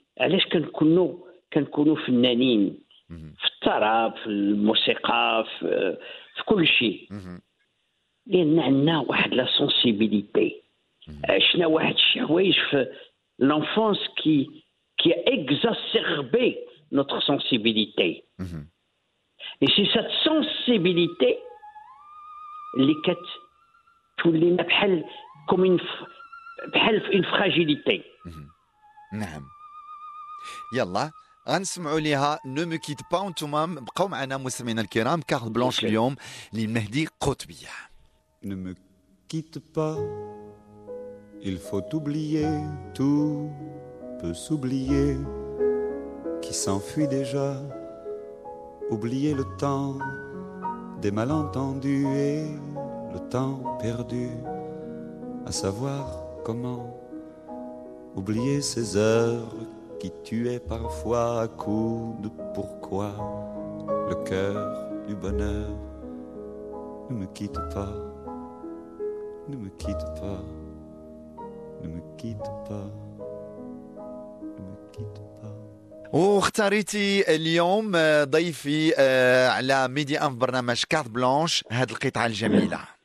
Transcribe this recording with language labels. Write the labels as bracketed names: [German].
[Arabic] علاش كنكونوا فنانين في الطرب في الموسيقى في كل شيء لان عندنا واحد لا سونسيبيليتي عشنا واحد الشهوايج في لونفونس كي اكزاسيربي نوتر سونسيبيليتي اي سي سات سونسيبيليتي اللي كتولينا بحال كومين بحال في اون فراجيليتي نعم يلا غنسمعوا ليها نو مو كيت با انتوما بقاو معنا مستمعينا الكرام كارت بلانش اليوم للمهدي قطبي [French] نو مو كيت با il faut oublier tout peut s'oublier qui s'enfuit déjà oublier le temps des malentendus et le temps perdu à savoir comment oublier ces heures qui tuait parfois à coup de pourquoi le cœur du bonheur ne me quitte pas, ne me quitte pas, ne me quitte pas, ne me quitte pas. [Arabic] واختاريتي اليوم ضيفي على ميديا ان برنامج كارت بلانش هاد القطعة الجميلة.